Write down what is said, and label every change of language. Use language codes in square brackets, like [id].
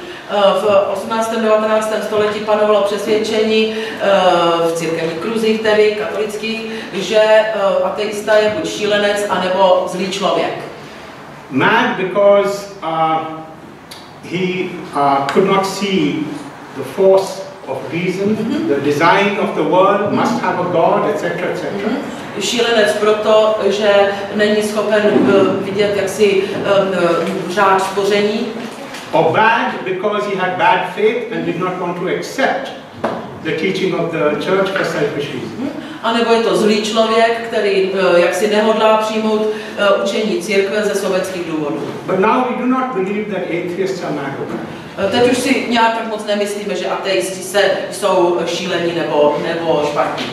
[cs] V 18. 19. století panovalo přesvědčení v církevních kruzích, tedy katolických, že ateista je buď šílenec, anebo zlý člověk. [en] Mad because he could not see the force of reason, the design of the world must have a god, etc., etc. [cs] Šílenec proto, že není schopen vidět jaksi řád stvoření. [en] Or bad because he had bad faith and did not want to accept the teaching of the church for selfish reasons. [cs] A nebo je to zlý člověk, který jaksi nehodlá přijmout učení církve ze sovětských důvodů. [en] But now we do not believe that atheists are mad. [cs] Teď už si nějak tak moc nemyslíme, že ateisti jsou šílení nebo špatní.